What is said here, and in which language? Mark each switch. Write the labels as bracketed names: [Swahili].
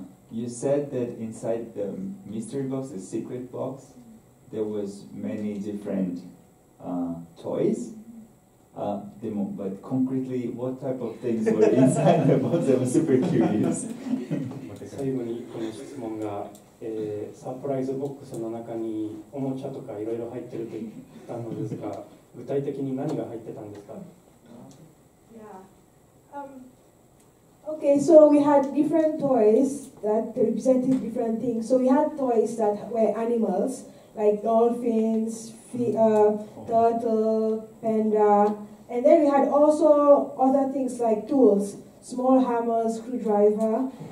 [English] You said that inside the mystery box, the secret box, there was many different toys. But concretely, what type of things were inside the box? I was super curious. [Japanese] 最後にこの質問が、サプライズボックスの中におもちゃとかいろいろ入ってると言ったのですが、具体的に何が入ってたんですか？ [English] Okay, so we had different toys that represented different things. So we had toys that were animals, like dolphins, turtle, panda. And then we had also other things like tools, small hammers, screwdriver.